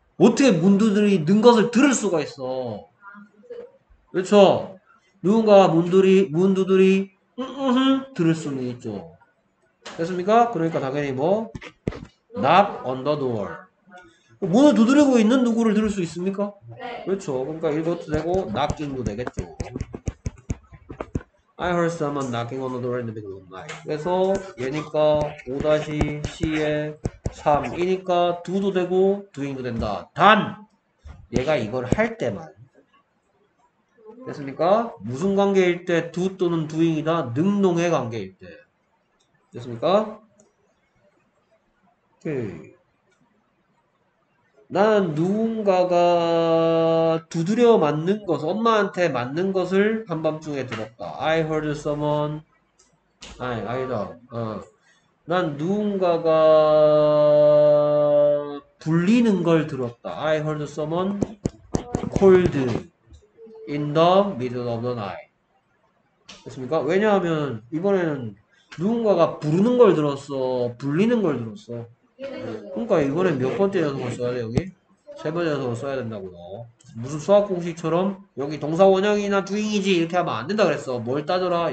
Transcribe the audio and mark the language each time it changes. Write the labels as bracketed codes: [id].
[ko] 어떻게 문 두드리는 것을 들을 수가 있어? 그렇죠. 누군가가 문 두드리 들을 수는 있죠. 됐습니까? 그러니까 당연히 뭐 [en] knock on the door. [ko] 문을 두드리고 있는 누구를 들을 수 있습니까? 네. 그렇죠. 그러니까 이것도 되고 knocking도 되겠죠. [en] I heard someone knocking on the door in the middle of the night. [ko] 그래서 얘니까 5-C의 3 이니까 do도 되고 doing도 된다. 단 얘가 이걸 할 때만. 됐습니까? 무슨 관계일 때 do 또는 doing이다? 능동의 관계일 때. 됐습니까? 나는 누군가가 두드려 맞는 것, 엄마한테 맞는 것을 한밤중에 들었다. [en] I heard someone. [ko] 아니, 아니다. 난 누군가가 불리는 걸 들었다. [en] I heard someone called in the middle of the night. [ko] 됐습니까? 왜냐하면 이번에는 누군가가 부르는 걸 들었어, 불리는 걸 들었어. 그러니까 이번에 몇 번째 녀석을 써야 돼 여기? 세 번째 녀석을 써야 된다고요. 무슨 수학 공식처럼 여기 동사 원형이나 주인이지 이렇게 하면 안 된다 그랬어. 뭘 따져라.